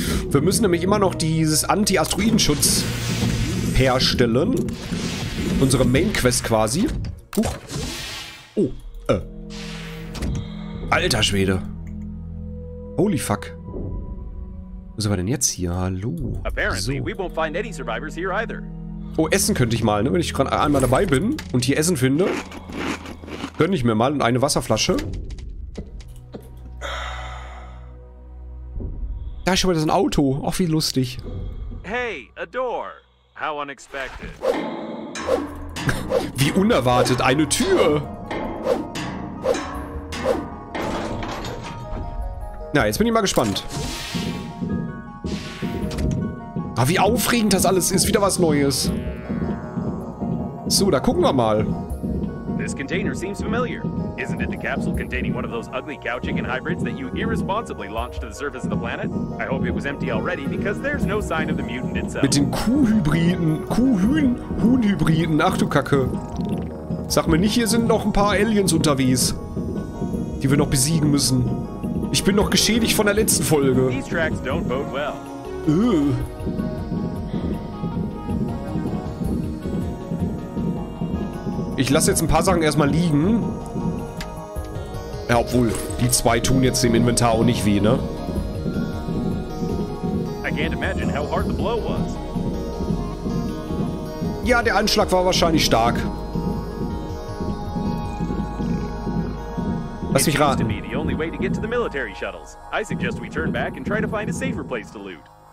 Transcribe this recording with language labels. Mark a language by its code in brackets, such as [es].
[de] Wir müssen nämlich immer noch dieses Anti-Asteroidenschutz herstellen. Unsere Main-Quest quasi. Huch. Oh. Alter Schwede. [en] Holy fuck. [de] Was ist aber denn jetzt hier? Hallo. [en] Apparently, we won't find any survivors here either. [de] Oh, essen könnte ich mal, ne? Wenn ich gerade einmal dabei bin und hier Essen finde, gönne ich mir mal eine Wasserflasche. Da ist schon wieder so ein Auto. Ach, wie lustig. [en] Hey, a door. How unexpected. [de] Wie unerwartet, eine Tür. Na, jetzt bin ich mal gespannt. Ah, wie aufregend das alles ist. Wieder was Neues. So, da gucken wir mal. [en] This container seems familiar. Isn't it the capsule containing one of those ugly Gauchigan hybrids that you irresponsibly launched to the surface of the planet? I hope it was empty already, because there's no sign of the mutant itself. [de] Mit den Kuhhybriden. Huhnhybriden. Ach du Kacke. Sag mir nicht, hier sind noch ein paar Aliens unterwegs, die wir noch besiegen müssen. Ich bin noch geschädigt von der letzten Folge. [en] These tracks don't bode well. [de] Ich lasse jetzt ein paar Sachen erstmal liegen. Ja, obwohl, die zwei tun jetzt dem Inventar auch nicht weh, ne? [en] I can't imagine how hard the blow was. [de] Ja, der Anschlag war wahrscheinlich stark. Lass mich raten. [en] It seems to be the only way to get to the military shuttles. I suggest we turn back and try to find a safer place to loot.